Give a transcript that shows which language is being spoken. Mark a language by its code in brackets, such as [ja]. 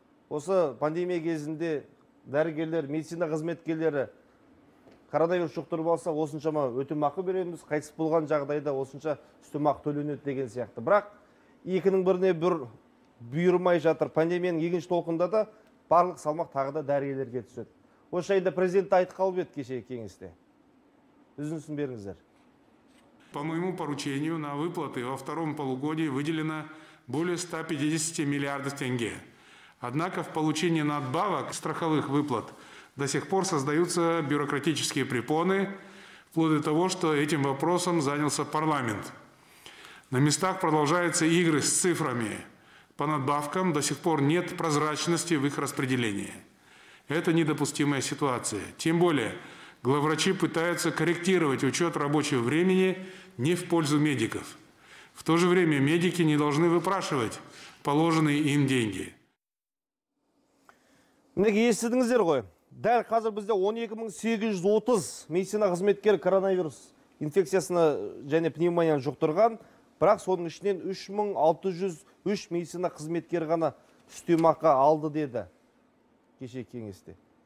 [kk] Осы пандемия кезінде дәрігерлер, медицина қызметкерлері коронавирус жұқтырып алса, осыншама өтемақы береміз, қайтыс болған жағдайда осынша үстемақы төленеді деген сияқты. Бірақ екінің біріне бір бұйырмай жатыр. Пандемияның екінші толқында да барлық салмақ тағы да дәрігерлерге түседі. Осы жайында президент айтып қалып еді кеше кеңесте. Үзіндісін беріңіздер. [ru] По моему поручению на выплаты во втором полугодии выделено более 150 миллиардов тенге. Однако в получении надбавок страховых выплат до сих пор создаются бюрократические препоны, вплоть до того, что этим вопросом занялся парламент. На местах продолжаются игры с цифрами. По надбавкам до сих пор нет прозрачности в их распределении. Это недопустимая ситуация. Тем более, главврачи пытаются корректировать учет рабочего времени не в пользу медиков. В то же время медики не должны выпрашивать положенные им деньги. [kk] Мінекей естідіңіздер ғой. Дәл қазір бізде 12830 медицина қызметкер коронавирус инфекциясына және пневмонияны жұқтырған, бірақ соның ішінен 3603 медицина қызметкер ғана үстемақы алды деді кеше кеңесте.